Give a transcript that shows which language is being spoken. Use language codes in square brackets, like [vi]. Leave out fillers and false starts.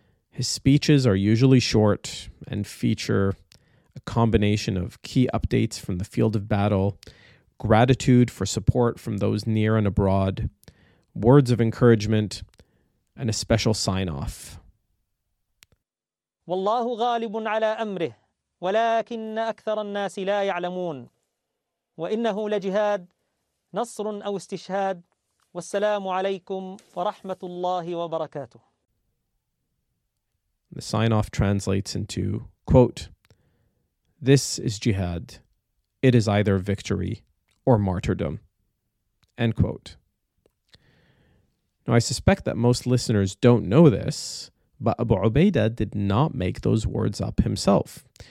[en] His speeches are usually short and feature a combination of key updates from the field of battle, gratitude for support from those near and abroad, words of encouragement, and a special sign-off. [ar] والله غالب على أمره ولكن أكثر الناس لا يعلمون وإنه لجهاد نصر أو استشهاد والسلام عليكم ورحمة الله وبركاته. [en] The sign-off translates into, quote, "This is jihad. It is either victory or martyrdom," end quote. Now, I suspect that most listeners don't know this, but Abu Ubaidah did not make those words up himself.